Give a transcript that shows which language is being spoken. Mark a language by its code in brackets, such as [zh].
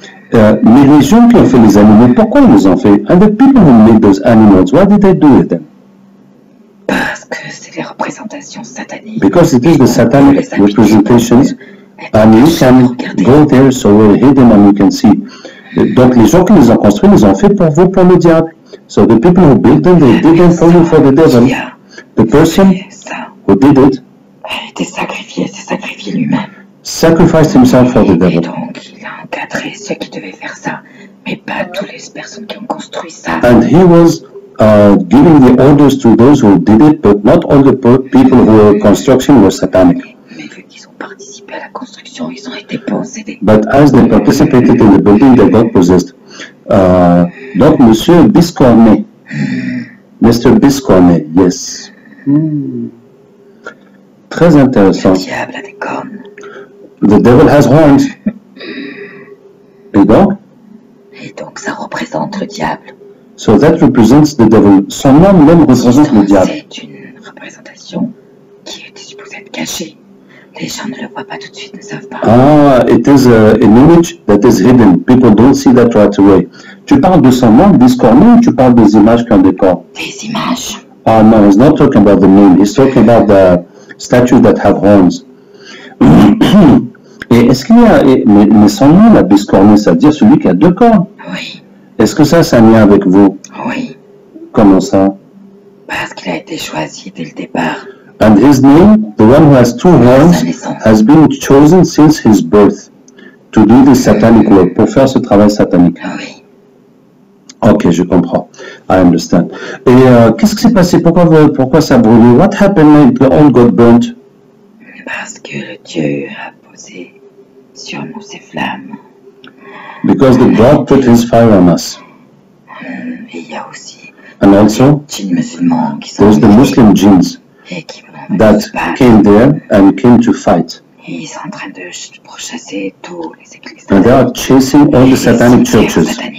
[fr] Mais les gens qui ont fait les animaux, pourquoi ils les ont fait? [en] And the people who made those animals, what did they do with them? [fr] Parce que c'est les représentations sataniques. [en] Because it is the satanic representations. And you can go there, so we'll hit them and you can see. [fr] Donc les gens qui les ont construits, les ont fait pour vous, pour le diable. [en] So the people who built them, they did them for you, for the devil. The person who did it, [fr] s'est sacrifié lui-même. [en] Sacrificed himself for the devil. [fr] Et donc il a encadré ceux qui devaient faire ça, mais pas toutes les personnes qui ont construit ça. [en] And he was giving the orders to those who did it, but not all the people who were construction were satanic. But as they participated in the building, they got possessed. [fr] Donc, Monsieur Biscornet. Mr. [en] Biscornet, yes. [fr] Très intéressant. Le diable a des cornes. [en] The devil has horns. [fr] Et donc, ça représente le diable. [en] So that represents the devil. [fr] Son nom même représente le diable. C'est une représentation qui était supposée être cachée. Les gens ne le voient pas tout de suite, ne savent pas. [en] Ah, it is an image that is hidden. People don't see that right away. [fr] Tu parles de son nom, Biscornet, ou tu parles des images qui ont des corps? Des images. Ah non, [en] he's not talking about the name. He's talking about the statues that have horns. [fr] Et est-ce qu'il y a... Mais son nom, la Biscornet, c'est-à-dire celui qui a deux corps? Oui. Est-ce que ça, c'est un lien avec vous? Oui. Comment ça? Parce qu'il a été choisi dès le départ. [en] And his name, the one who has two horns, has been chosen since his birth to do this satanic work, [fr] pour faire ce travail satanique. Ok, je comprends. [en] I understand. [fr] Et qu'est-ce qui s'est passé? Pourquoi ça a brûlé? [en] What happened? The old got burnt. [fr] Parce que le Dieu a posé sur nous ses flammes. [en] Because the God put his fire on us. And also, there's the Muslim jinns that came there and came to fight. And they are chasing all the satanic churches.